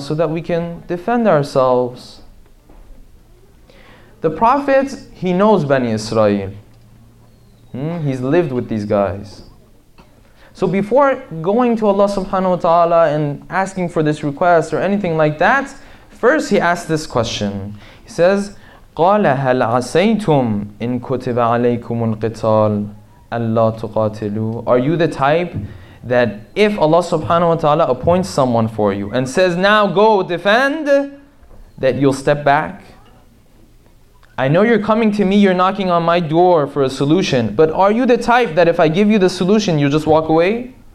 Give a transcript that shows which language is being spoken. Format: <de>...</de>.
<en>So that we can defend ourselves. The prophet, he knows Bani Israel. He's lived with these guys. So before going to Allah subhanahu wa ta'ala and asking for this request or anything like that, first he asks this question. He says,</en> <ar>قَالَ هَلْ عَسَيْتُمْ إِن كُتِبَ عَلَيْكُمُ الْقِتَالِ أَلَّا تُقَاتِلُوا.</ar> <en>Are you the type that if Allah subhanahu wa ta'ala appoints someone for you and says, "Now go defend," that you'll step back? I know you're coming to me, you're knocking on my door for a solution, but are you the type that if I give you the solution, you just walk away?</en>